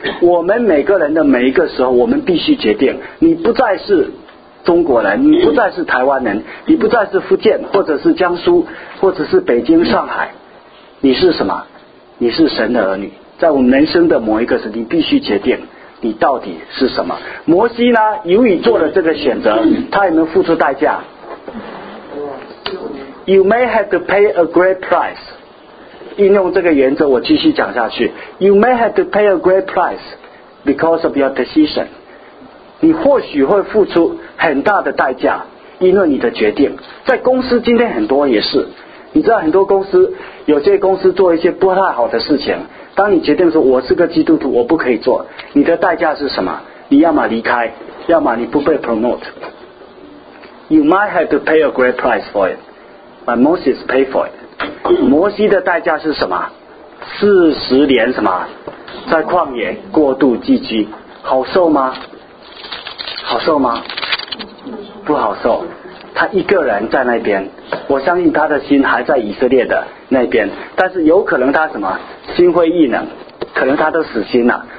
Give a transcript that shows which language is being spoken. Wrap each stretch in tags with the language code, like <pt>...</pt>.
<zh>我们每个人的每一个时候，我们必须决定，你不再是中国人，你不再是台湾人，你不再是福建或者是江苏或者是北京上海，你是什么？你是神的儿女。在我们人生的某一个时候，你必须决定你到底是什么。摩西呢，由于做了这个选择，他也能付出代价。</zh> <en>You may have to pay a great price.</en> <zh>应用这个原则，我继续讲下去。</zh> <en>You may have to pay a great price because of your decision.</en> <zh>你或许会付出很大的代价，因为你的决定。在公司今天很多也是，你知道很多公司，有些公司做一些不太好的事情，当你决定说我是个基督徒，我不可以做，你的代价是什么？你要么离开，要么你不被 promote。</zh> <en>You might have to pay a great price for it, but Moses paid for it.</en> <zh>摩西的代价是什么？四十年什么？在旷野过度寄居，好受吗？好受吗？不好受。他一个人在那边，我相信他的心还在以色列的那边，但是有可能他什么心灰意冷，可能他都死心了。</zh>